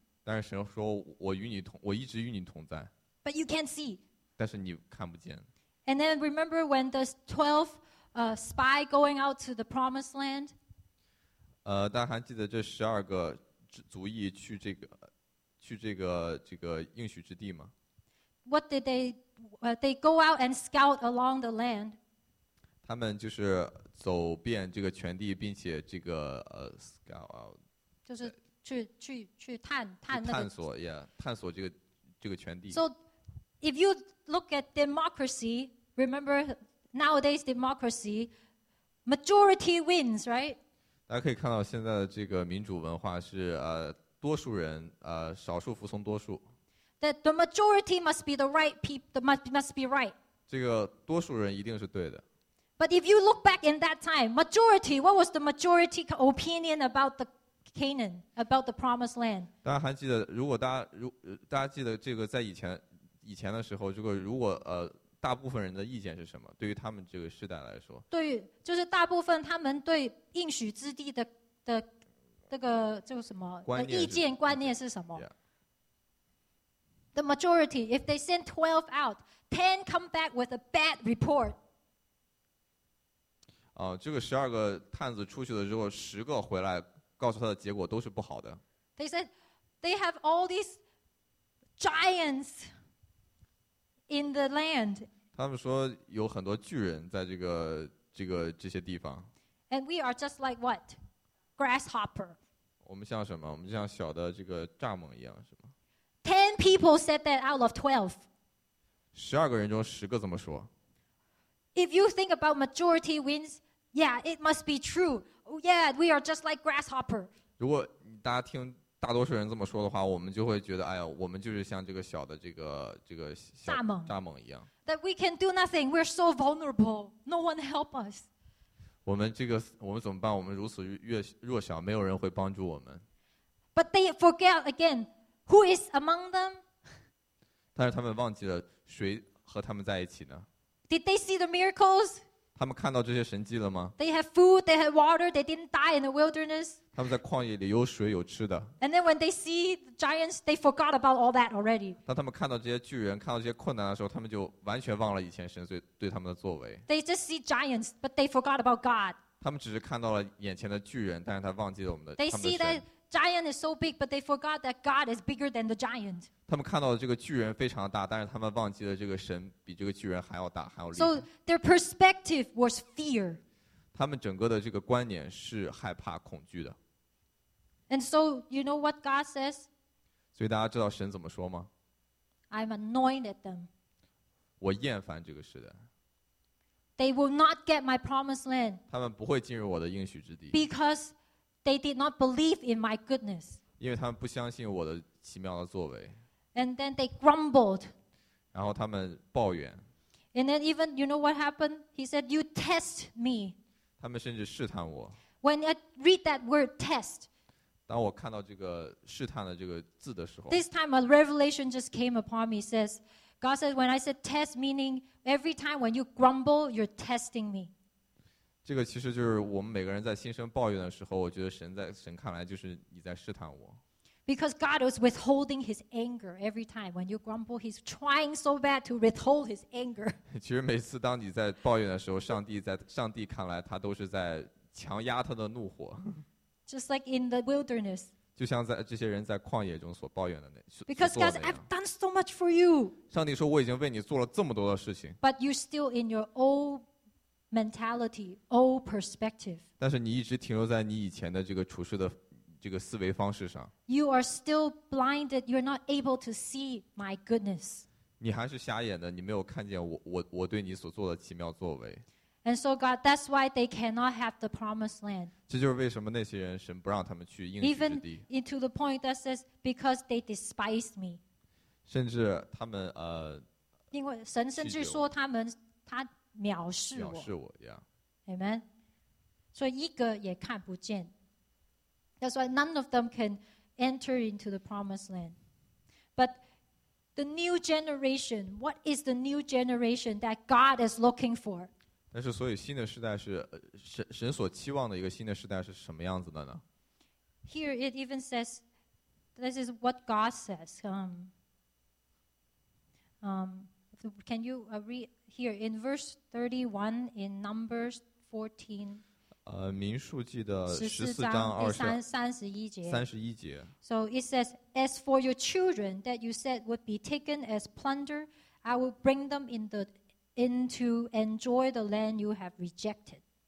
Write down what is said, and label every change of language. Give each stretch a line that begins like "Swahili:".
Chinese: 但是神说，我与你同，我一直与你同在。
English: But you can't see.
Chinese: 但是你看不见。
English: And then remember when the 12 spy going out to the promised land?
Chinese: 大家还记得这十二个族裔去这个，应许之地吗
English: ？What did they? They go out and scout along the land.
Chinese: 他们就是走遍这个全地，并且这个scout out，就是去探、那个、探索 ，yeah， 探索这个全地。
English: So if you look at democracy, remember nowadays democracy, majority wins, right?
Chinese: 大家可以看到现在的这个民主文化是多数人少数服从多数。
English: That the majority must be the right people, must be right.
Chinese: 这个多数人一定是对的。
English: But if you look back in that time, majority, what was the majority opinion about the Canaan, about the promised land?
Chinese: 大家还记得，如果大家记得这个在以前的时候，这个如果大部分人的意见是什么？对于他们这个世代来说，对，就是大部分他们对应许之地的这个就什么观念意见观念是什么？
English: Yeah. The majority, if they send 12 out, 10 come back with a bad report.
Chinese: 这个十二个探子出去了之后，十个回来告诉他的结果都是不好的。
English: They said they have all these giants in the land.
Chinese: 他们说有很多巨人在这些地方。
English: And we are just like what? Grasshopper.
Chinese: 我们像什么？我们像小的这个蚱蜢一样，是吗？
English: 10 people said that out of 12.
Chinese: 十二个人中十个怎么说？
English: If you think about majority wins, yeah, it must be true. Yeah, we are just like grasshopper.
Chinese: 如果大家听大多数人这么说的话，我们就会觉得，哎呀，我们就是像这个小的这个蚱蜢一样。
English: That we can do nothing. We're so vulnerable. No one help us.
Chinese: 我们怎么办？我们如此弱小，没有人会帮助我们。
English: But they forget again who is among them.
Chinese: 但是他们忘记了谁和他们在一起呢
English: ？Did they see the miracles?
Chinese: 他们看到这些神迹了吗
English: ？They have food. They have water. They didn't die in the wilderness.
Chinese: 他们在旷野里有水有吃的。
English: And then when they see the giants, they forgot about all that already.
Chinese: 当他们看到这些巨人，看到这些困难的时候，他们就完全忘了以前神对他们的作为。
English: They just see giants, but they forgot about God.
Chinese: 他们只是看到了眼前的巨人，但是他忘记了我们的。
English: They see that giant is so big, but they forgot that God is bigger than the giant.
Chinese: 他们看到这个巨人非常大，但是他们忘记了这个神比这个巨人还要大，还要厉害。
English: So their perspective was fear.
Chinese: 他们整个的这个观念是害怕、恐惧的。
English: And so you know what God says?
Chinese: 所以大家知道神怎么说吗
English: ？I'm annoyed at them.
Chinese: 我厌烦这个世代。
English: They will not get my promised land.
Chinese: 他们不会进入我的应许之地。
English: Because they did not believe in my goodness.
Chinese: 因为他们不相信我的奇妙的作为。
English: And then they grumbled.
Chinese: 然后他们抱怨。
English: And then even you know what happened? He said, "You test me."
Chinese: 他们甚至试探我。
English: When I read that word test.
Chinese: 当我看到这个试探的这个字的时候
English: This time a revelation just came upon me. Says, God says, when I said test, meaning every time when you grumble, you're testing me.
Chinese: 这个其实就是我们每个人在心生抱怨的时候，我觉得神看来就是你在试探我。
English: Because God was withholding His anger every time when you grumble, He's trying so bad to withhold His anger.
Chinese: 其实每次当你在抱怨的时候，上帝看来他都是在强压他的怒火。
English: Just like in the wilderness.
Chinese: 就像在这些人在旷野中所抱怨的那。
English: Because God, I've done so much for you.
Chinese: 上帝说我已经为你做了这么多的事情。
English: But you're still in your old mentality, old perspective.
Chinese: 但是你一直停留在你以前的这个处事的。这个思维方式上
English: You are still blinded. You're not able to see my goodness.
Chinese: 你还是瞎眼的，你没有看见我对你所做的奇妙作为。
English: And so God, that's why they cannot have the promised land.
Chinese: 这就是为什么那些人神不让他们去应许之地。 Even into the point that says because they despised me. 甚至他们因为神甚至说他藐视我。藐视我 ，Yeah. Amen. 所以一个也看不见。
English: That's why none of them can enter into the promised land. But the new generation, what is the new generation that God is looking for?
Chinese: 但是所以新的时代是神所期望的一个新的时代是什么样子的呢？
English: Here it even says, this is what God says. Can you read here in verse 31 in Numbers 14?
Chinese: 民数记的十四章二十三十一节
English: So it says, as for your children that you said would be taken as plunder, I will bring them into enjoy the land you have rejected.